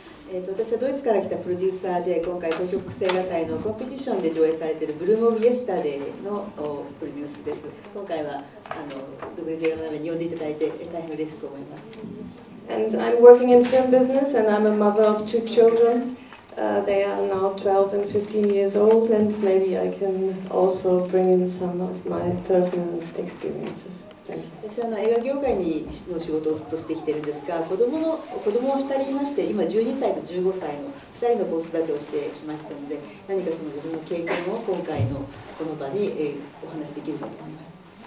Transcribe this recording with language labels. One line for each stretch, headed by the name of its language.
Japanese: 私はドイツから来たプロデューサーで、今回東京国際映画祭のコンペティションで上映されているブルームオブイエスタデーのプロデュースです。今回は独立映画のために呼んでいただいて大変嬉しく思います。
English: And I'm working in film business, and I'm a mother of two childrenthey are now 12 and 15 years old, and maybe I can also bring in some of my personal experiences. Thank you.
Japanese: 私は映画業界にの仕事をずっとしてきているんですが、子供を2人いまして、今12歳と15歳の2人の子育てをしてきましたので、何かその自分の経験を今回のこの場に、お話しできるかと思います。